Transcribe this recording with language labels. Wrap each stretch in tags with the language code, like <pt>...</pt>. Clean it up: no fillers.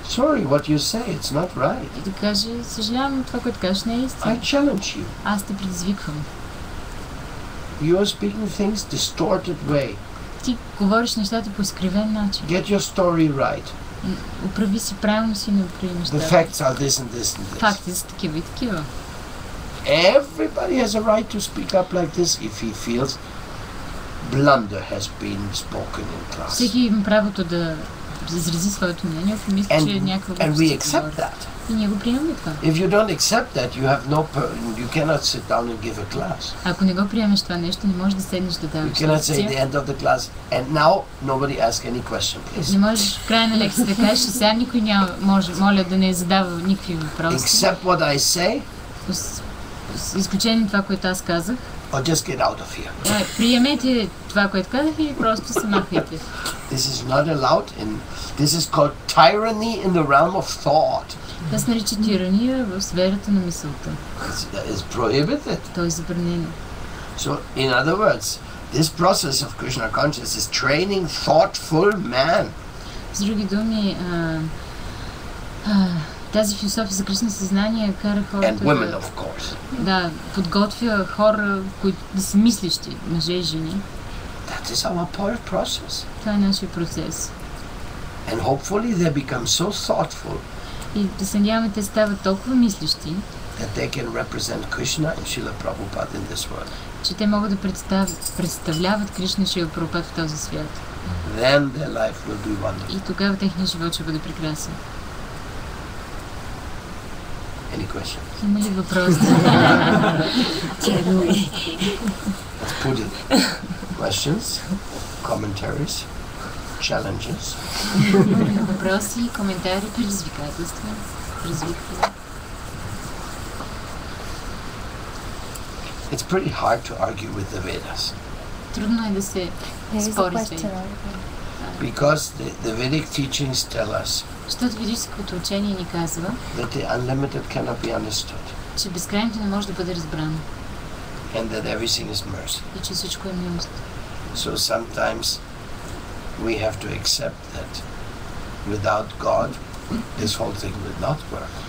<en>Sorry, what you say, it's not right.</en> <bg>И да каже, съжалявам, това, което кажеш, не е истина.</bg> <en>I challenge you.</en> <bg>Аз те предизвиквам.</bg> <en>You are speaking things distorted way.</en> <bg>Ти говориш нещата по изкривен начин.</bg> <en>Get your story right.</en> <bg>Управи си правилно си направи нещата.</bg> <en>The facts are this and this and this.</en> <bg>Факти са такива и такива.</bg> <en>Everybody has a right to speak up like this if he feels blunder has been spoken in class.</en> <bg>Всеки има правото да изрази своето мнение, ако мисли, че е някаква глупост.</bg> <en>And we accept that.</en> <bg>И ние го приемаме това.</bg> <en>If you don't accept that, you have no you cannot sit down and give a class.</en> <bg>Ако не го приемеш това нещо, не можеш да седнеш да даваш.</bg> <en>You cannot say at the end of the class and now nobody ask any question, please.</en> <bg>Не можеш в края на лекцията да кажеш, сега никой няма може, моля да не задава никакви въпроси.</bg> <en>Except what I say.</en> <bg>Изключение това, което аз казах.</bg> <en>Or just get out of here.</en> <bg>Приемете това, което казах и просто се махайте.</bg> <en>This is not allowed in, this is called tyranny in the realm of thought.</en> <bg>Това се нарича тирания в сферата на мисълта.</bg> <en>It's prohibited.</en> <bg>То е забранено.</bg> <en>So, in other words, this process of Krishna consciousness is training thoughtful man.</en> <bg>С други думи, тази философия за кръсно съзнание кара хората.</bg> <en>And women, of course.</en> <bg>Да, подготвя хора, които да са мислещи, мъже и жени.</bg> <en>That is our part of process.</en> <bg>Това е нашия процес.</bg> <en>And hopefully they become so thoughtful.</en> <bg>И да се надяваме, те стават толкова мислещи.</bg> <en>That they can represent Krishna and Srila Prabhupada in this world.</en> <bg>Че те могат да представляват Кришна и Шрила Прабхупада в този свят.</bg> <en>Then their life will be wonderful.</en> <bg>И тогава техният живот ще бъде прекрасен. Има ли въпрос?</bg> <en>Let's put it. Questions, commentaries, challenges.</en> <bg>Въпроси, коментари, предизвикателства, предизвиквания.</bg> <en>It's pretty hard to argue with the Vedas.</en> <bg>Трудно е да се спори с Ведите.</bg> <en>Because the Vedic teachings tell us.</en> <bg>Защото ведическото учение ни казва,</bg> <en>that the unlimited cannot be understood.</en> <bg>Че безкрайното не може да бъде разбрано.</bg> <en>And that everything is mercy.</en> <bg>И че всичко е милост.</bg> <en>So sometimes we have to accept that without God this whole thing would not work.</en>